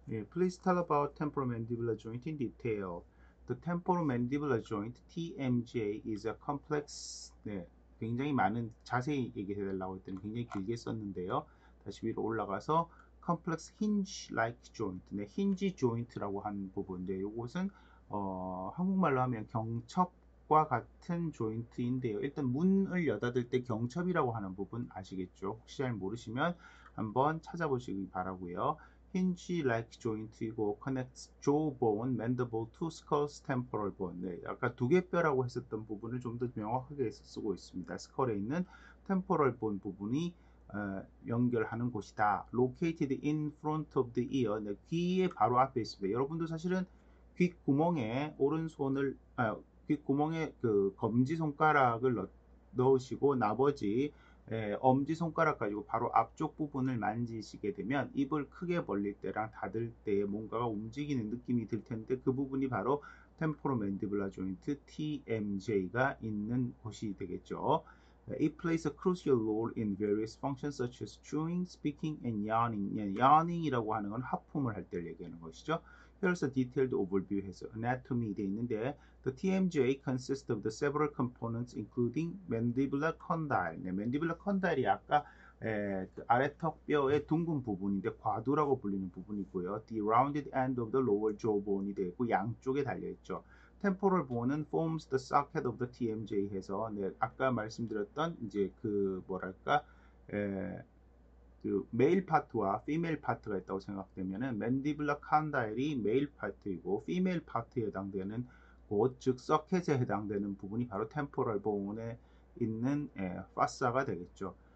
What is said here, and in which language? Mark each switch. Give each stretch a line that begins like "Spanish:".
English: Please tell about temporomandibular joint in detail. The temporomandibular joint, TMJ, is a complex.
Korean: 네, 굉장히 많은 자세히 얘기해 달라고 했더니 굉장히 길게 썼는데요. 다시 위로 올라가서
English: complex hinge-like joint,
Korean: 네, hinge joint라고 한 부분인데 이것은 한국말로 하면 경첩과 같은 조인트인데요. 일단 문을 여닫을 때 경첩이라고 하는 부분 아시겠죠? 혹시 잘 모르시면 한번 찾아보시기 바라고요.
English: Hinge-like joint이고 connects jawbone, mandible, two skulls, temporal bone.
Korean: 네, 아까 두개뼈라고 했었던 부분을 좀더 명확하게 쓰고 있습니다. 스컬에 있는 temporal bone 부분이 연결하는 곳이다.
English: Located in front of the ear.
Korean: 네, 귀의 바로 앞에 있습니다. 여러분도 사실은 귓구멍에 오른손을 귓구멍에 그 검지 손가락을 넣으시고 나머지 엄지손가락 가지고 바로 앞쪽 부분을 만지시게 되면 입을 크게 벌릴 때랑 닫을 때 뭔가가 움직이는 느낌이 들 텐데 그 부분이 바로 템포로맨디블라 조인트 TMJ가 있는 곳이 되겠죠.
English: It plays a crucial role in various functions such as chewing, speaking, and yawning.
Korean: Yawning이라고 하는 건 하품을 할때 얘기하는 것이죠.
English: Here's a detailed overview 해서 anatomy
Korean: 돼 있는데
English: The TMJ consists of the several components including mandibular condyle.
Korean: 네, mandibular condyle이 아까 그 아래턱 뼈의 둥근 부분인데 과두라고 불리는 부분이고요.
English: The rounded end of the lower jawbone이 되고
Korean: 양쪽에 달려있죠. Temporal bone은
English: forms the socket of the TMJ
Korean: 해서 네, 아까 말씀드렸던 이제 그 뭐랄까 그 male 파트와 female 파트가 있다고 생각되면은 mandibular condyle이 male 파트이고 female 파트에 해당되는 곳, 즉 socket에 해당되는 부분이 바로 temporal bone에 있는 fossa가 되겠죠.